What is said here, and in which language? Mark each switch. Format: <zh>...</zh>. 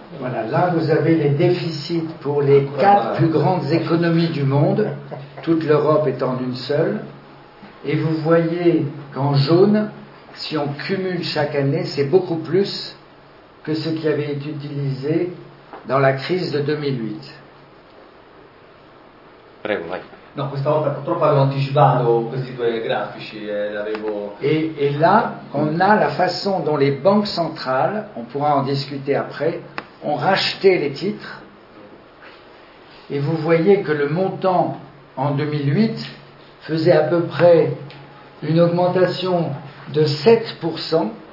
<fr>Voilà, là vous avez les déficits pour les quatre plus grandes économies du monde, toute l'Europe étant une seule, et vous voyez qu'en jaune, si on cumule chaque année, c'est beaucoup plus que ce qui avait été utilisé dans la crise de 2008.</fr> <it>Prego, vai. No, questa volta purtroppo avevo anticipato questi due grafici.</it> <fr>Et là, on a la façon dont les banques centrales, on pourra en discuter après, ont racheté les titres. Et vous voyez que le montant en 2008 faisait à peu près une augmentation de 7%.</fr>